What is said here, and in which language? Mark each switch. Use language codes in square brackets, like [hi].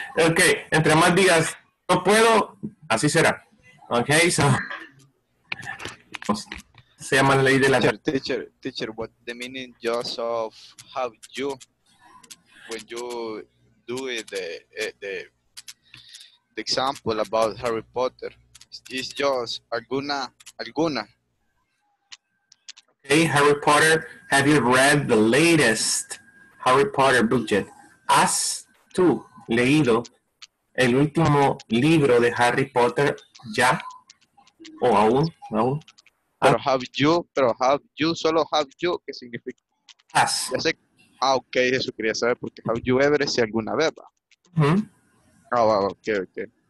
[es] Okay. Entre más digas, no puedo, así será. [en] Okay, so. [es] Se llama la ley de la... [en] Teacher, what the meaning just of how you, when you do it, the example about Harry Potter is just alguna. Okay, Harry Potter, have you read the latest Harry Potter book yet? [es] ¿Has tú leído el último libro de Harry Potter ya? ¿O aún? Pero have you, pero have you, solo have you, ¿qué significa? Has. Ya sé, ah, ok, eso quería saber, porque [en] have you ever, [es] si alguna vez, ¿va? Ah, uh-huh. Oh, ok, ok.